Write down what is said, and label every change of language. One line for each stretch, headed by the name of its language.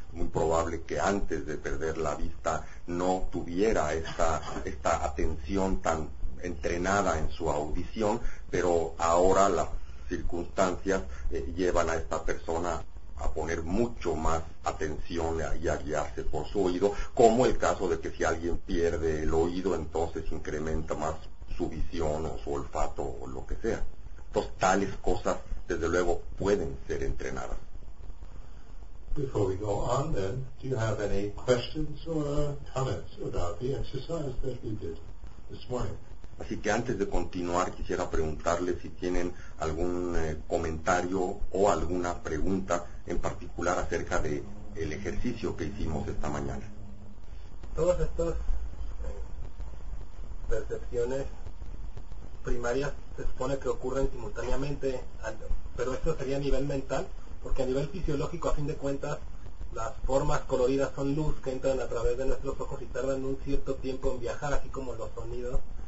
Spanish: Muy probable que antes de perder la vista no tuviera esta atención tan entrenada en su audición, pero ahora las circunstancias llevan a esta persona a poner mucho más atención y a guiarse por su oído, como el caso de que si alguien pierde el oído, entonces incrementa más su visión o su olfato o lo que sea. Entonces, tales cosas, desde luego, pueden ser entrenadas.
English: Before we go on, then, do you have any questions or comments about the exercise that we did this morning?
Spanish: Así que antes de continuar, quisiera preguntarle si tienen algún comentario o alguna pregunta en particular acerca de el ejercicio que hicimos esta mañana. Todas estas percepciones primarias se supone que ocurren simultáneamente, pero esto sería a nivel mental, porque a nivel fisiológico, a fin de cuentas, las formas coloridas son luz que entran a través de nuestros ojos y tardan un cierto tiempo en viajar, así como los sonidos.